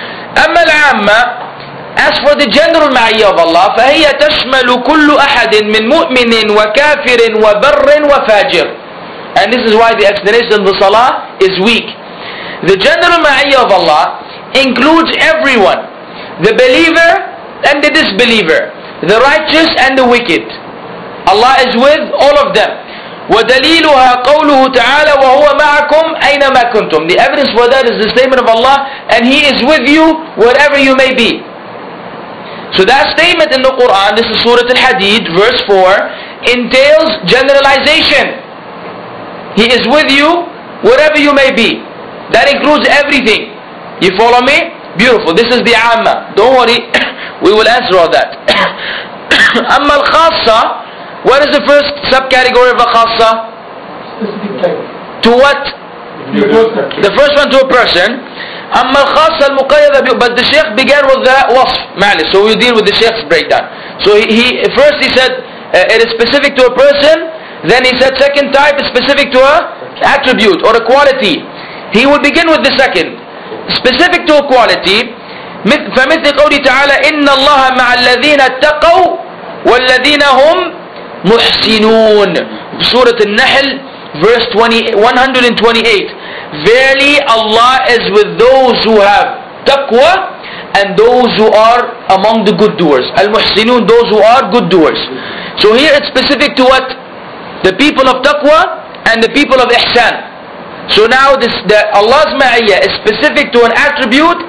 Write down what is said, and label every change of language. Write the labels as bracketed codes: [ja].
[ar] أما العامة, [en] as for the general ma'iyya of Allah, [ar] فهي تشمل كل أحد من مؤمن وكافر وبر وفاجر. [en] And this is why the explanation of the salah is weak. The general ma'iyya of Allah includes everyone, the believer and the disbeliever, the righteous and the wicked. Allah is with all of them. [ar] ودليلها قوله تعالى وهو معكم أينما كنتم. [en] The evidence for that is the statement of Allah, and He is with you wherever you may be. So that statement in the Quran, this is Surah Al-Hadid, verse 4, entails generalization. He is with you wherever you may be. That includes everything. You follow me? Beautiful. This is the Amma. Don't worry. We will answer all that. [ar] أما الخاصة, [en] what is the first subcategory of a khassa? Specific type. to what? The first one to a person. [ar] أما الخاصة المقيدة ب... [en] But the Shaykh began with the wasf. معلش. So we deal with the Shaykh's breakdown. So he first he said it is specific to a person. Then he said second type is specific to a attribute or a quality. He would begin with the second. Specific to a quality. [ar] فمثل قوله تعالى إن الله مع الذين اتقوا والذين هم محسنون. سورة النحل verse 128. [en] Verily Allah is with those who have taqwa and those who are among the good doers. المحسنون those who are good doers. So here it's specific to what? The people of taqwa and the people of ihsan. So now this the Allah's ma'iyya is specific to an attribute.